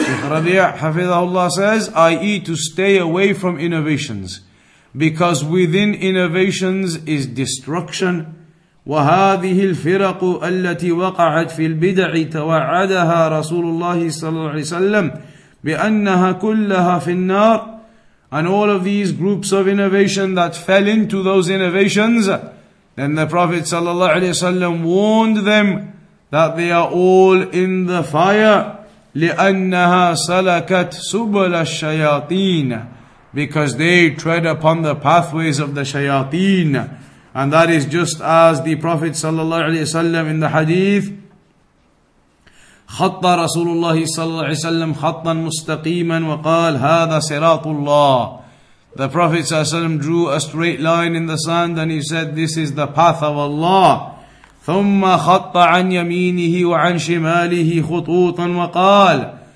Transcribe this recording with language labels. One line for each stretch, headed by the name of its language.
English: ربيع حفظه الله says, i.e. to stay away from innovations. Because within innovations is destruction.
Arabic: وهذه الفرق التي وقعت في البدع توعدها رسول الله صلى الله عليه وسلم بأنها كلها في النار.
English: And all of these groups of innovation that fell into those innovations, then the Prophet ﷺ warned them that they are all in the fire.
Arabic: لِأَنَّهَا سَلَكَتْ سُبْلَ الشَّيَاطِينَ.
English: Because they tread upon the pathways of the shayateen. And that is just as the Prophet ﷺ in the hadith,
Arabic: خط رسول الله صلى الله عليه وسلم خطا مستقيما وقال هذا صراط الله.
English: The Prophet ﷺ drew a straight line in the sand and he said, this is the path of Allah.
Arabic: ثم خط عن يمينه وعن شماله خطوطا وقال.